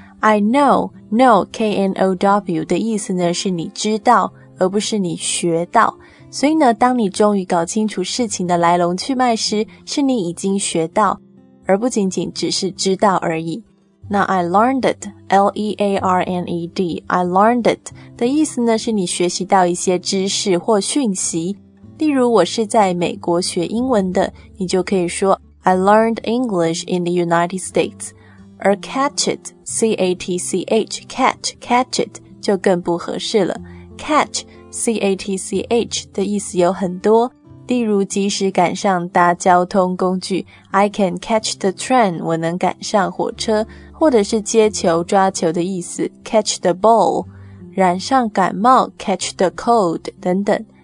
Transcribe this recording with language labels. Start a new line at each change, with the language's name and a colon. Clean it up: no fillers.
English: I know
Chinese: K-N-O-W 的意思呢，是你知道而不是你学到，所以呢，当你终于搞清楚事情的来龙去脉时，是你已经学到，而不仅仅只是知道而已。那
English: I learned it,
Chinese: L-E-A-R-N-E-D, I learned it 的意思呢，是你学习到一些知识或讯息。例如，我是在美国学英文的，你就可以说
English: I learned English in the United States,
Chinese: 而 catch it, C-A-T-C-H, catch it, 就更不合适了。 catchCATCH 的意思有很多，例如及时赶上搭交通工具
English: I can catch the train,
Chinese: 我能赶上火车，或者是接球抓球的意思
English: catch the ball,
Chinese: 染上感冒
English: catch the cold
Chinese: 等等。